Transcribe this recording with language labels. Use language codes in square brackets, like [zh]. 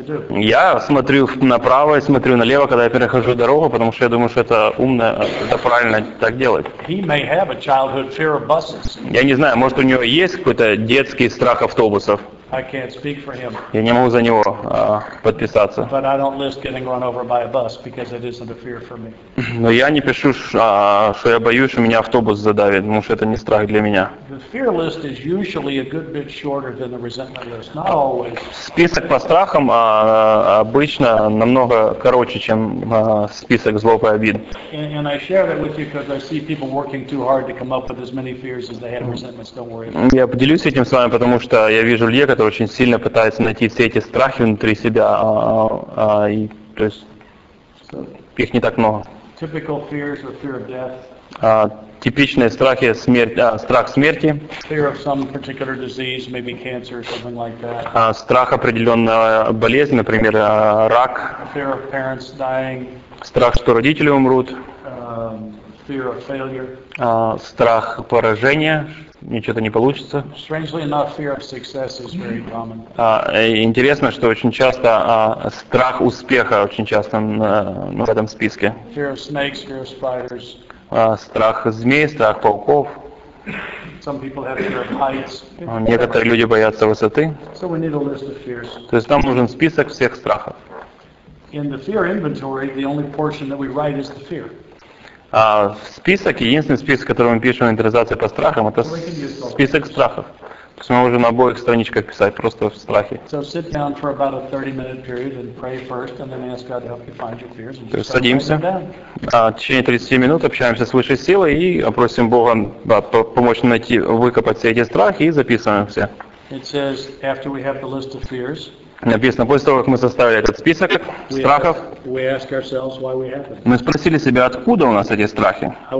[ru] Я смотрю направо и смотрю налево, когда я перехожу дорогу, потому что я думаю, что это умно, это правильно так делать. Я не знаю, может, у него есть какой-то детский страх автобусов. [en] I can't speak for him. [ru] Я не могу за него подписаться. [en] But I don't list getting run over by a bus because it isn't a fear for me. [ru] Но я не пишу, что я боюсь, что меня автобус задавит, потому что это не страх для меня. [en] The fear list is usually a good bit shorter than the resentment list. Not always. [ru] Список по страхам обычно намного короче, чем список злоб и обид. [en] And I share that with you because I see people working too hard to come up with as many fears as they have resentments. Don't worry. [ru] Я поделюсь этим с вами, потому что я вижу людей, который очень сильно пытается найти все эти страхи внутри себя, то есть их не так много. [en] Typical fears or fear of death. [ru] Типичные страхи страх смерти. [en] Fear of some particular disease, maybe cancer or something like that. [ru] Страх определенной болезни, например, рак. [en] Fear of parents dying. [ru] Страх, что родители умрут. [en] Fear of failure. [ru] Страх поражения. Ничего-то не получится. [en] Strangely enough, fear of success is very common. [ru] Интересно, что очень часто страх успеха очень часто в этом списке. [en] Fear of snakes, fear of spiders. [ru] Страх змей, страх пауков. [en] Some people have fear of heights. [ru] Некоторые люди боятся высоты. [en] So we need a list of fears. [ru] То есть нам нужен список всех страхов. [en] In the fear inventory, the only portion that we write is the fear. [ru] Список, единственный список, который мы пишем в интерпретации по страхам, это список страхов. Снова уже на обоих страничках писать, просто в страхе. [en] So sit down for about a 30-minute period and pray first, and then ask God to help you find your fears. [ru] То есть садимся, в течение 30 минут общаемся с высшей силой и просим Бога помочь найти, выкопать все эти страхи и записываем все. [en] It says after we have the list of fears. [ru] Написано, после того, как мы составили этот список страхов, мы спросили себя, откуда у нас эти страхи.